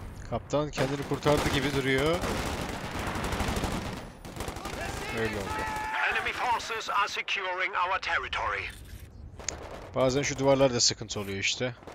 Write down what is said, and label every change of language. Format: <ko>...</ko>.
<tr>Kaptan kendini kurtardı gibi duruyor. Öyle oldu.</tr> <en>Enemy forces are securing our territory.</en> <tr>Bazen şu duvarlar da sıkıntı oluyor işte.</tr>